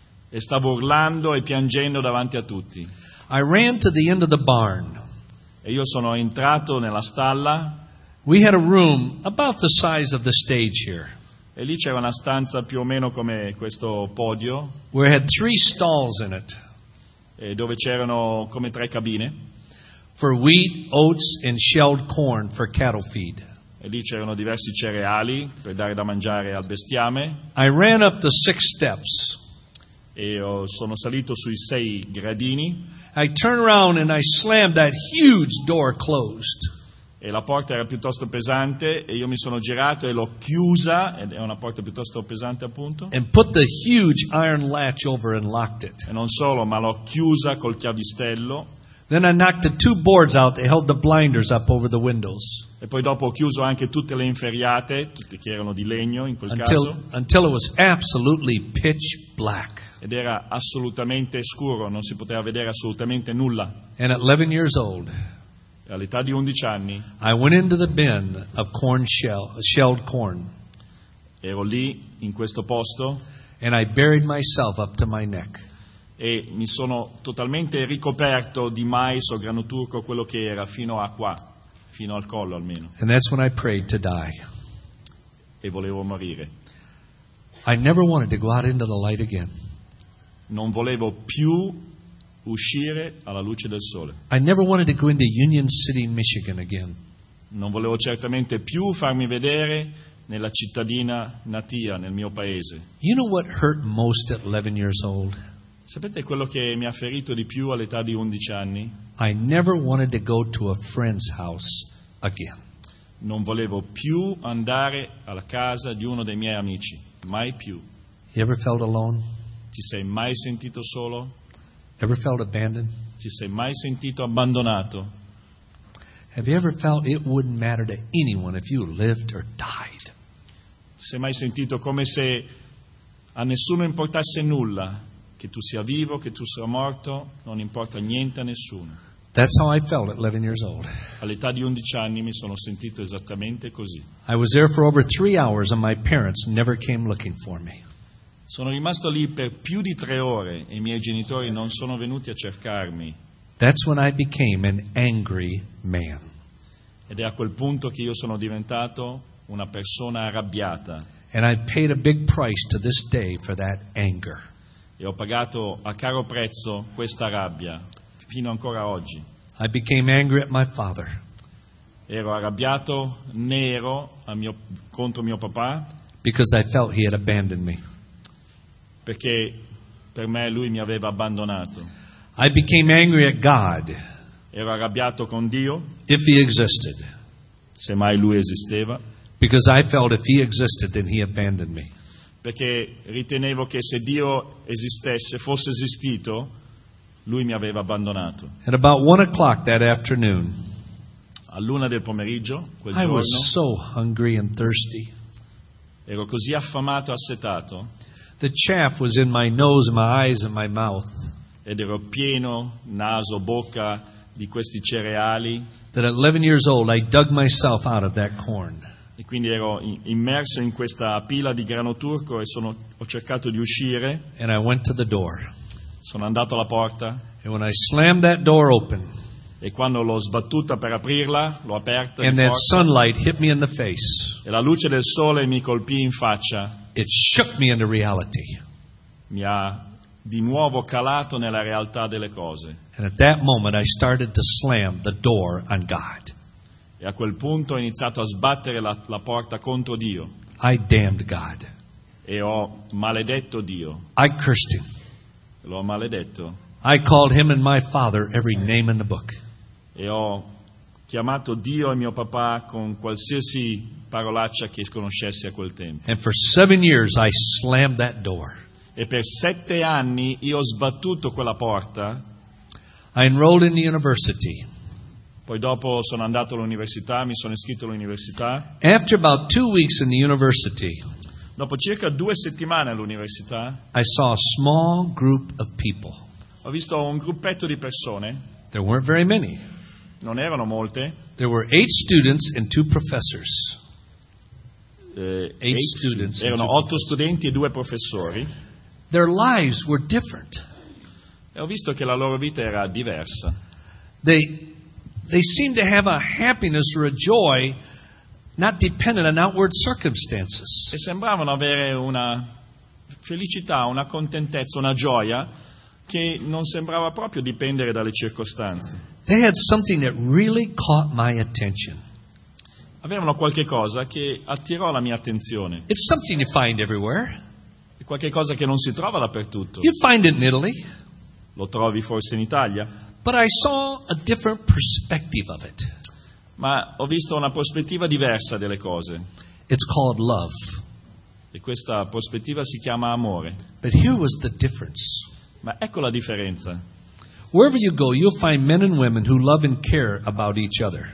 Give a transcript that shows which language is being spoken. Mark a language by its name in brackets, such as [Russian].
[Italian] E stavo urlando e piangendo davanti a tutti. [English] I ran to the end of the barn. [Italian] E io sono entrato nella stalla. [English] We had a room about the size of the stage here. [Italian] E lì c'era una stanza più o meno come questo podio. [English] We had 3 stalls in it. [Italian] E dove c'erano come 3 cabine. [English] For wheat, oats and shelled corn for cattle feed. [Italian] E lì c'erano diversi cereali per dare da mangiare al bestiame. [English] I ran up the 6 steps. [Italian] E sono salito sui 6 gradini. [English] I turned around and I slammed that huge door closed. [Italian] E la porta era piuttosto pesante e io mi sono girato e l'ho chiusa, ed è una porta piuttosto pesante appunto. [English] And put the huge iron latch over and locked it. [Italian] E non solo, ma l'ho chiusa col chiavistello. [English] Then I knocked the 2 boards out that held the blinders up over the windows. [Italian] E poi dopo ho chiuso anche tutte le inferriate, tutte che erano di legno in quel caso. [English] Until it was absolutely pitch black. [Italian] Ed era assolutamente scuro, non si poteva vedere assolutamente nulla. [English] And at 11 years old. [Italian] All'età di 11 anni. [English] I went into the bin of corn shelled corn. [Italian] Ero lì in questo posto. [English] And I buried myself up to my neck. [Italian] E mi sono totalmente ricoperto di mais o grano turco, quello che era, fino a qua, fino al collo almeno. [English] And that's when I prayed to die. [Italian] E volevo morire. [English] I never wanted to go out into the light again. [Italian] Non volevo più uscire alla luce del sole. [English] I never wanted to go into Union City, Michigan again. [Italian] Non volevo certamente più farmi vedere nella cittadina natia, nel mio paese. [English] You know what hurt most at 11 years old? [Italian] Sapete quello che mi ha ferito di più all'età di 11 anni? [English] I never wanted to go to a friend's house again. [Italian] Non volevo più andare alla casa di uno dei miei amici, mai più. [English] You ever felt alone? [Italian] Ti sei mai sentito solo? [English] Ever felt abandoned? [Italian] Ti sei mai sentito abbandonato? [English] Have you ever felt it wouldn't matter to anyone if you lived or died? [Italian] Ti sei mai sentito come se a nessuno importasse nulla, che tu sia vivo, che tu sia morto, non importa niente a nessuno? [English] That's how I felt at 11 years old. [Italian] All'età di 11 anni mi sono sentito esattamente così. [English] I was there for over 3 hours and my parents never came looking for me. [Italian] Sono rimasto lì per più di 3 ore e i miei genitori non sono venuti a cercarmi. [English] That's when I became an angry man. [Italian] Ed è a quel punto che io sono diventato una persona arrabbiata. [English] And I paid a big price to this day for that anger. [Italian] E ho pagato a caro prezzo questa rabbia fino ancora oggi. [English] I became angry at my father. [Italian] Ero arrabbiato nero contro mio papà. [English] Because I felt he had abandoned me. [Italian] Perché per me lui mi aveva abbandonato. [English] I became angry at God. [Italian] Ero arrabbiato con Dio. [English] If he existed. [Italian] Se mai lui esisteva. [English] Because I felt if he existed, then he abandoned me. [Italian] Perché ritenevo che se Dio esistesse, fosse esistito, lui mi aveva abbandonato. [English] At about 1 o'clock that afternoon. [Italian] All'una del pomeriggio, quel giorno. [English] I was so hungry and thirsty. [Italian] Ero così affamato e assetato. [English] The chaff was in my nose, my eyes, and my mouth. [Italian] Ed ero pieno, naso, bocca, di questi cereali. [English] That at 11 years old, I dug myself out of that corn. [Italian] E quindi ero immerso in questa pila di grano turco e ho cercato di uscire. [English] And I went to the door. [Italian] Sono andato alla porta. [English] And when I slammed that door open. [Italian] E quando l'ho sbattuta per aprirla, l'ho aperta. [English] And that sunlight hit me in the face. [Italian] E la luce del sole mi colpì in faccia. [English] It shook me into reality. [Italian] Mi ha di nuovo calato nella realtà delle cose. [English] And at that moment I started to slam the door on God. [Italian] E a quel punto ho iniziato a sbattere la porta contro Dio. [English] I damned God. [Italian] E ho maledetto Dio. [English] I cursed him. [Italian] L'ho maledetto. [English] I called him and my father every name in the book. [Italian] E ho chiamato Dio e mio papà con qualsiasi parolaccia che conoscessi a quel tempo. [English] And for 7 years I slammed that door. [Italian] E per 7 anni io ho sbattuto quella porta. [English] I enrolled in the university. [Italian] Poi dopo sono andato all'università, mi sono iscritto all'università. [English] After about 2 weeks in the university. [Italian] Dopo circa 2 settimane all'università. [English] I saw a small group of people. [Italian] Ho visto un gruppetto di persone. [English] There weren't very many. [Italian] Non erano molte. [English] There were 8 students and 2 professors. [Italian] Erano 8 studenti e 2 professori. [English] Their lives were different. [Italian] E ho visto che la loro vita era diversa. [English] They seemed to have a happiness or a joy not dependent on outward circumstances. [Italian] E sembravano avere una felicità, una contentezza, una gioia che non sembrava proprio dipendere dalle circostanze. [English] They had something that really caught my attention. [Italian] avevano qualche cosa che attirò la mia attenzione. [English] It's something you find everywhere. [Italian] È qualche cosa che non si trova dappertutto. [English] You find it in Italy. [Italian] Lo trovi forse in Italia. [English] But I saw a different perspective of it. [Italian] Ma ho visto una prospettiva diversa delle cose. [English] It's called love. [Italian] E questa prospettiva si chiama amore. [English] But here was the difference. [Italian] Ma ecco la differenza. [English] Wherever you go, you'll find men and women who love and care about each other.